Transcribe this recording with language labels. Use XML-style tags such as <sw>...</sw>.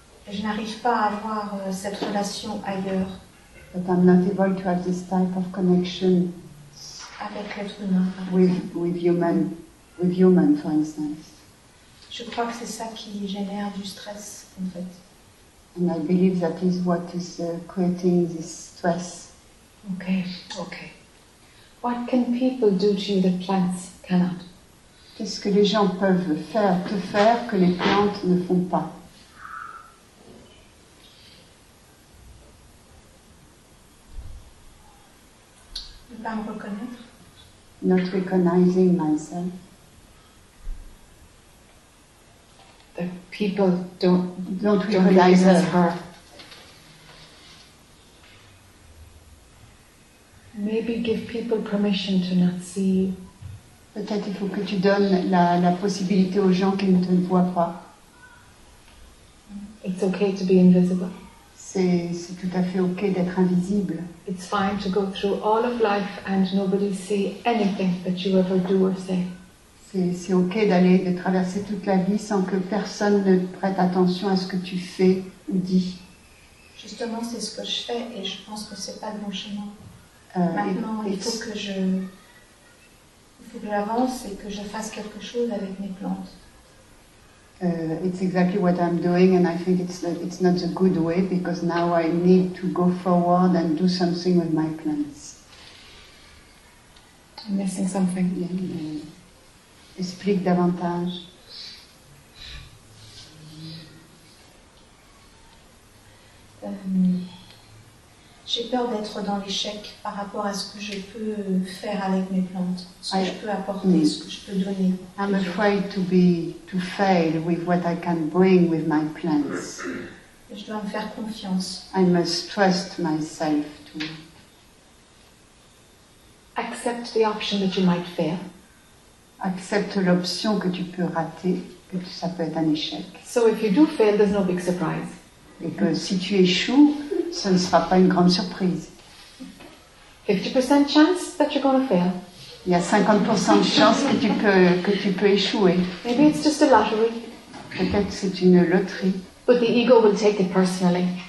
<fr>Je n'arrive pas à avoir cette relation ailleurs.</fr> <en>But I'm not able to have this type of connection</en> <fr>avec l'être humain.</fr> <en>With human, for instance.</en> <fr>Je crois que c'est ça qui génère du stress, en fait.</fr> <en>And I believe that is what is creating this stress. Okay. What can people do to you that plants cannot?</en> <fr>Qu'est-ce que les gens peuvent faire, te faire, que les plantes ne font pas? Ne pas me reconnaître.</fr> <en>Not recognizing myself. That people don't recognize her. Maybe give people permission to not see.</en> <fr>Peut-être il faut que tu donnes la possibilité aux gens qui ne te voient pas.</fr> <en>It's okay to be invisible.</en> <fr>C'est tout à fait okay d'être invisible.</fr> <en>It's fine to go through all of life and nobody see anything that you ever do or say.</en> <fr>C'est ok d'aller, de traverser toute la vie sans que personne ne prête attention à ce que tu fais ou dis. Justement, c'est ce que je fais et je pense que c'est pas le bon chemin. Maintenant, il faut que j'avance et que je fasse quelque chose avec mes plantes.</fr> <en>It's exactly what I'm doing, and I think it's not a good way because now I need to go forward and do something with my plants. I'm missing something.</en> <fr>Explique davantage. J'ai peur d'être dans l'échec par rapport à ce que je peux faire avec mes plantes, ce que je peux donner.</fr> <en>I'm afraid to fail with what I can bring with my plants.</en> <fr>Je dois me faire confiance.</fr> <en>I must trust myself to accept the option that you might fail.</en> <fr>Accepte l'option que tu peux rater, que ça peut être un échec.</fr> <en>So if you do fail, there's no big surprise.</en> <fr>Et que si tu échoues, ça ne sera pas une grande surprise.</fr> <en>50% chance that you're going to fail.</en> <fr>Il y a 50% de chance que tu peux échouer.</fr> <en>Maybe it's just a lottery.</en> <fr>Peut-être c'est une loterie.</fr> <en>But the ego will take it personally.</en>